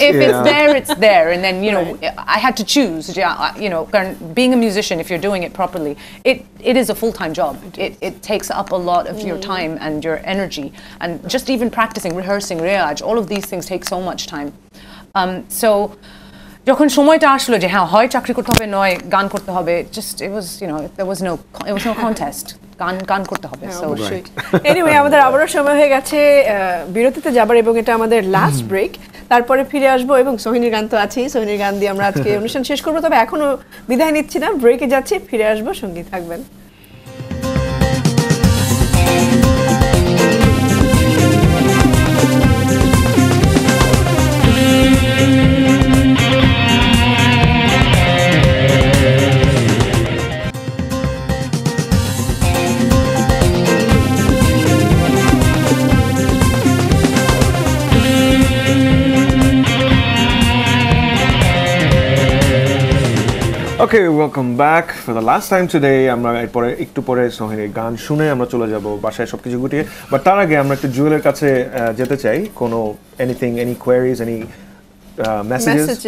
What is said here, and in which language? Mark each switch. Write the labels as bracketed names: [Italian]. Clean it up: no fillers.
[English] if yeah. it's there it's there and then you know right. I had to choose you know being a musician if you're doing it properly it is a full-time job it takes up a lot of your time and your energy and just even practicing rehearsing riyaj all of these things take so much time so [Bangla] jokhon shomoy ta ashlo je ha hoy chakri korte hobe [English] noy gaan korte hobe just it was you know there was no contest [Bangla] গান করতে হবে so anyway আমাদের আবারও সময় হয়ে গেছে বিরতিতে যাবার এবং এটা আমাদের লাস্ট ব্রেক তারপরে ফিরে আসবো এবং সোহিনীর গান তো আছেই সোহিনীর গান দিয়ে আমরা আজকে অনুষ্ঠান শেষ করবো তবে এখনো বিদায় নিচ্ছি না ব্রেকে যাচ্ছি ফিরে আসবো সঙ্গী থাকবেন [English] Okay, welcome back for the last time today. [Bangla] আমরা এরপরে একটু পরে সোহিনীর গান শুনে আমরা চলে যাব বাসায় সবকিছু গুটিয়ে বাট তার আগে আমরা একটু জুয়েলের কাছে যেতে চাই কোনো [English] anything any queries any messages